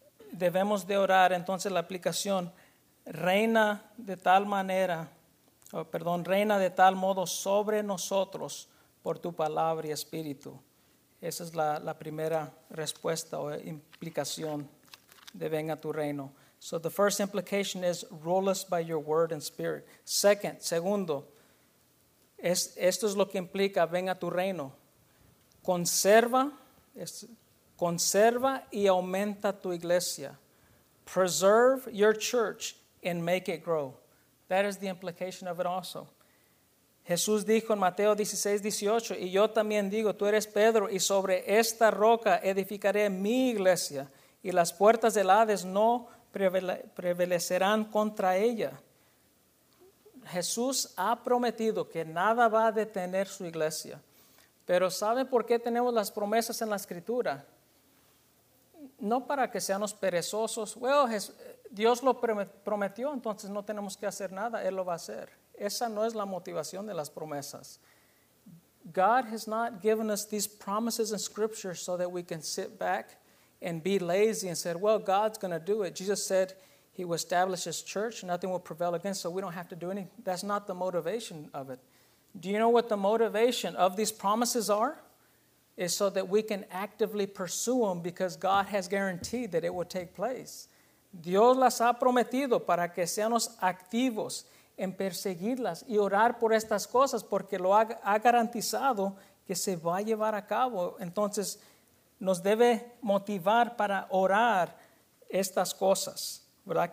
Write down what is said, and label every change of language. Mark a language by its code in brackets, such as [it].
[es] Debemos de orar, entonces la aplicación, reina de tal modo sobre nosotros por tu palabra y espíritu. Esa es la primera respuesta o implicación de venga tu reino. [en] So the first implication is rule us by your word and spirit. [es] Segundo, esto es lo que implica venga tu reino. Conserva y aumenta tu iglesia. [en] Preserve your church and make it grow. That is the implication of it also. [es] Jesús dijo en Mateo 16:18, y yo también digo, tú eres Pedro, y sobre esta roca edificaré mi iglesia, y las puertas del Hades no prevalecerán contra ella. Jesús ha prometido que nada va a detener su iglesia. Pero ¿saben por qué tenemos las promesas en la Escritura? No para que seamos perezosos. Bueno, Dios lo prometió, entonces no tenemos que hacer nada. Él lo va a hacer. Esa no es la motivación de las promesas. [en] God has not given us these promises in Scripture so that we can sit back and be lazy and say, well, God's going to do it. Jesus said He will establish His church. Nothing will prevail against, so we don't have to do anything. That's not the motivation of it. Do you know what the motivation of these promises are? Is so that we can actively pursue them because God has guaranteed that it will take place. [es] Dios las ha prometido para que seamos activos en perseguirlas y orar por estas cosas porque lo ha garantizado que se va a llevar a cabo. Entonces, nos debe motivar para orar estas cosas, ¿verdad?